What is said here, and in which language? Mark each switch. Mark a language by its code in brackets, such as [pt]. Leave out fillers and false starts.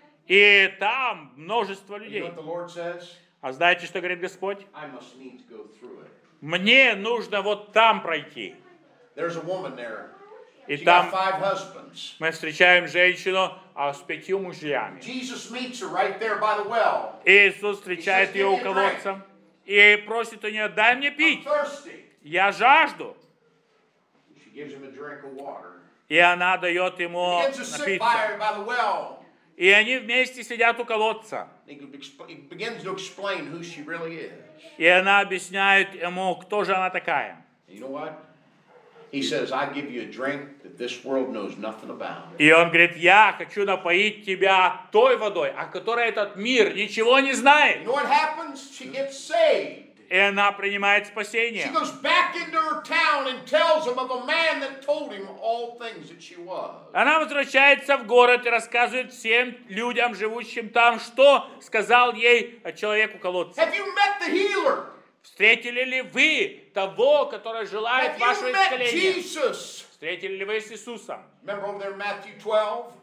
[ru] И там множество людей. [en] You know what the Lord says? [ru] А знаете, что говорит Господь? [en] I must need to go through it. [ru] Мне нужно вот там пройти. [en] There's a woman there. [ru] И там [en] five husbands. [ru] Мы встречаем женщину с пятью мужьями. [en] Jesus meets her right there by the well. [ru] Иисус встречает ее у колодца и просит у нее, дай мне пить. [en] I'm thirsty. [ru] Я жажду. [en] She gives him a drink of water. [ru] И она дает ему напиться. [en] He gets a sick by the well. [ru] И они вместе сидят у колодца. [en] He begins to explain who she really is. [ru] И она объясняет ему, кто же она такая. [en] You know what? He says, I give you a drink that this world knows nothing about. [ru] И он говорит, я хочу напоить тебя той водой, о которой этот мир ничего не знает. [en] You know what happens? She gets saved. [ru] И она принимает спасение. [en] She goes back into her town and tells him of a man that told him all things that she was. [ru] Она возвращается в город и рассказывает всем людям, живущим там, что сказал ей человек у колодца. [en] Have you met the healer? [ru] Встретили ли вы того, который желает вашего исцеления? [en] Have you met Jesus? [ru] Встретили ли вы с Иисусом? [en] Remember over there in Matthew 12?